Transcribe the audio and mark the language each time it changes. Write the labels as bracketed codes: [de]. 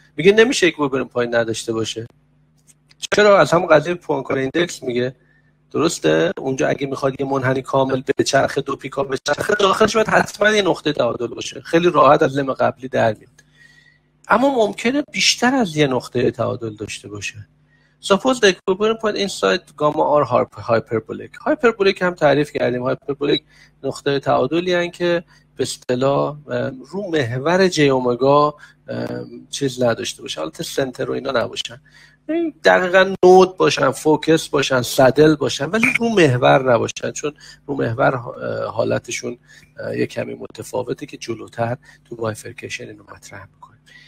[fa] میگه نمیشه equilibrium point نداشته باشه. چرا؟ از همون قضیه پوانکاره ایندکس میگه، درسته؟ اونجا اگه میخواد یه منحنی کامل به چرخه، دو پیکا به چرخه، داخلش باید حتما یه نقطه تعادل باشه. خیلی راحت از لیم قبلی در میاد. اما ممکنه بیشتر از یه نقطه تعادل داشته باشه. [en] Suppose the equilibrium point inside gamma are hyperbolic. [fa] Hyperbolic هم تعریف کردیم. Hyperbolic نقطه تعادلی هستند که به اصطلاح رو محور جی اومگا چیز نداشته باشه. حالت سنتر و اینا نباشن. دقیقا نود باشن، فوکس باشن، سدل باشن، ولی رو محور نباشن، چون رو محور حالتشون یک کمی متفاوته که جلوتر تو بایفرکشن اینو مطرح میکنه.